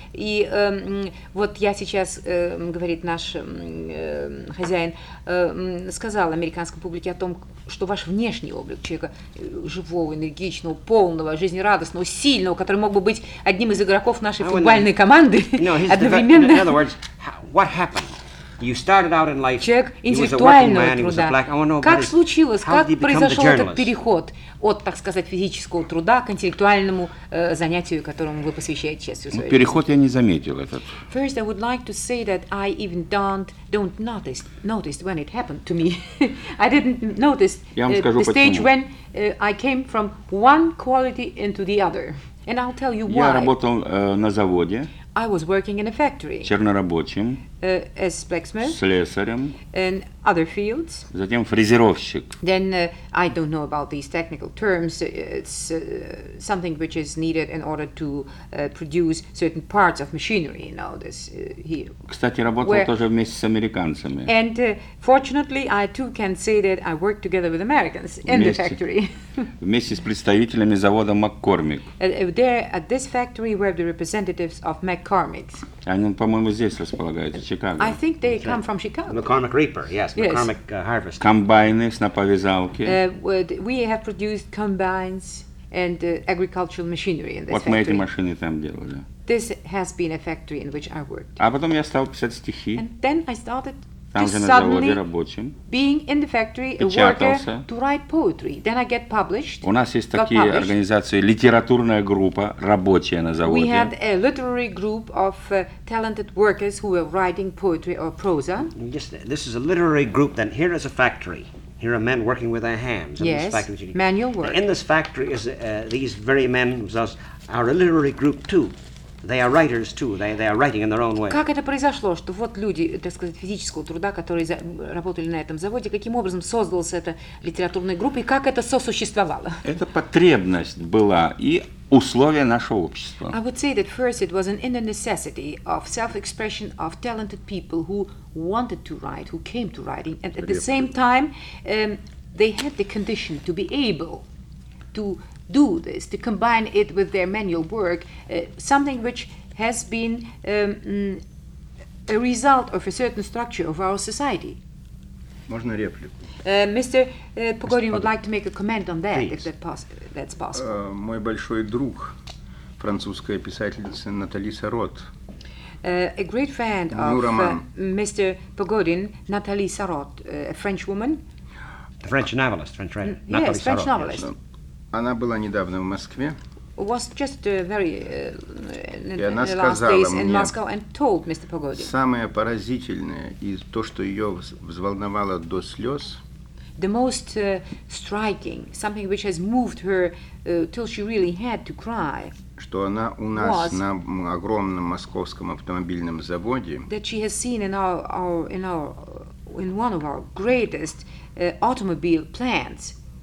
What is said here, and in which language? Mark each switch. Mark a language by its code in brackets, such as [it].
[ru] И вот я сейчас, говорит наш хозяин, сказал американской публике о том, что ваш внешний облик человека живого, энергичного, полного, жизнерадостного, сильного, который мог бы быть одним из игроков нашей футбольной команды одновременно. [en] In other words, what happened? You started out in life. [ru] Человек интеллектуального труда. Как случилось, как произошел этот переход от, так сказать, физического труда к интеллектуальному занятию, которому вы посвящаете частью своей жизни? Переход я не заметил этот. [en] First, I would like to say that I even don't notice when it happened to me. I didn't notice the stage when I came from one quality into the other. And I'll tell you why. [ru] Я работал на заводе. [en] I was working in a factory. [ru] Чернорабочим. [en] As blacksmith. [ru] Слесарем. [en] And other fields. [ru] Затем фрезеровщик. [en] Then I don't know about these technical terms. It's something which is needed in order to produce certain parts of machinery. You know this here. [ru] Кстати, работал тоже вместе с американцами. [en] And fortunately, I too can say that I worked together with Americans in the factory. [ru] Вместе с представителями завода McCormick. [en] There at this factory were the representatives of McCormick. [ru] Они, по-моему, здесь располагаются, в Чикаго. [en] I think they come from Chicago. McCormick Reaper, yes, McCormick Harvester. [ru] Комбайны, снаповязалки. [en] We have produced combines and agricultural machinery in this factory. [ru] Вот мы эти машины там делали. [en] This has been a factory in which I worked. [ru] А потом я стал писать стихи. [en] And then I started [ru] Там же на заводе рабочим. [en] Being in the factory, [ru] печатался. [en] A worker to write poetry. Then I get published. [ru] У нас есть такие [en] published. [ru] Организации, литературная группа, рабочая на заводе. [en] We had a literary group of talented workers who were writing poetry or prosa. Yes, this is a literary group, then here is a factory. Here are men working with their hands. Yes, manual work. In this factory, is these very men are a literary group too. They are writers too. They are writing in their own way. [ru] Как это произошло, что вот люди, так сказать, физического труда, которые работали на этом заводе, каким образом создалась эта литературная группа и как это сосуществовало? Это потребность была и условия нашего общества. [en] I would say that first it was an inner necessity of self-expression of talented people who wanted to write, who came to writing, and at the same time they had the condition to be able to do this, to combine it with their manual work, something which has been a result of a certain structure of our society. [ru] Можно реплику? [en] Mr. Pogodin would like to make a comment on that, if that's possible. [ru] Мой большой друг, французская писательница Натали Сарот. [en] A great friend of Mr. Pogodin, Natalie Sarot, a French woman. The French novelist, French writer. Yes, French novelist. [ru] Она была недавно в Москве. [en] Was just very in the last days in Moscow and told Mr. Pogodin. [ru] Самое поразительное и то, что ее взволновало до слез. [en] The most striking, something which has moved her till she really had to cry. [ru] Что она у нас на огромном московском автомобильном заводе. [en] That she has seen in one of our greatest automobile plants.